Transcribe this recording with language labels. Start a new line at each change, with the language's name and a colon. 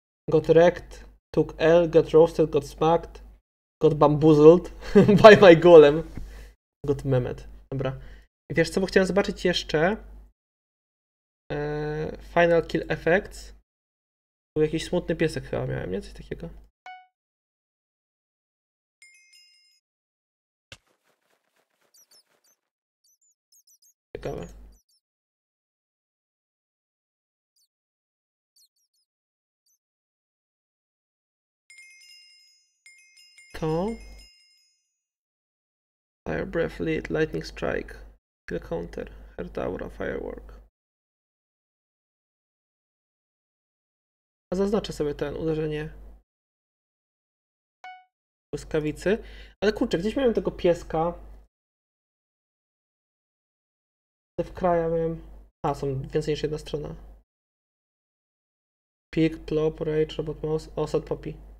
English: Got wrecked, took L, got roasted, got smacked. Got bamboozled by my golem. Got Mehmet.
Polish: Dobra. Wiesz co, bo chciałem zobaczyć jeszcze Final Kill Effects. Był jakiś smutny piesek chyba miałem, nie? Coś takiego. Ciekawe.
English: To Fire Breath Lead, Lightning Strike, Kill Counter, Heart Aura, Firework.
Polish: A zaznaczę sobie ten uderzenie błyskawicy. Ale kurczę, gdzieś miałem tego pieska. Te w kraja miałem. A, są więcej niż jedna strona.
English: Pig, Plop, Rage, Robot Mouse, Osad, Poppy.